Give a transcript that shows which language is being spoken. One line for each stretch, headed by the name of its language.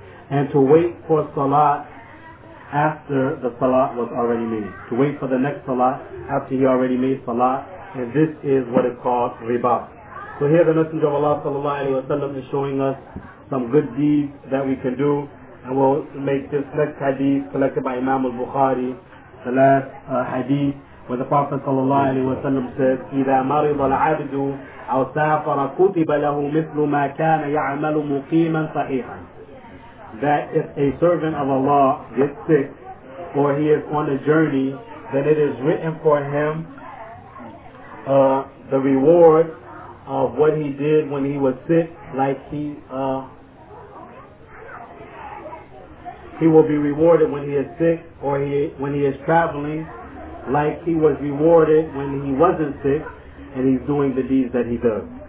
English: And to wait for salat after the salat was already made. To wait for the next salat after he already made salat. And this is what is called ribat. So here the Messenger of Allah sallallahu alayhi wa sallam is showing us some good deeds that we can do. And we'll make this next hadith collected by Imam al-Bukhari. The last hadith where the Prophet sallallahu alayhi wa sallam says,
Arabic: إِذَا مَرِضَ الْعَبْدُ أَوْ سَافَرَ كُتِبَ لَهُ مِثْلُ مَا كَانَ يَعْمَلُ مُقِيمًا صَحِيحًا.
English: That if a servant of Allah gets sick or he is on a journey, then it is written for him the reward of what he did when he was sick, like he will be rewarded when he is sick, or when he is traveling, like he was rewarded when he wasn't sick, and he's doing the deeds that he does.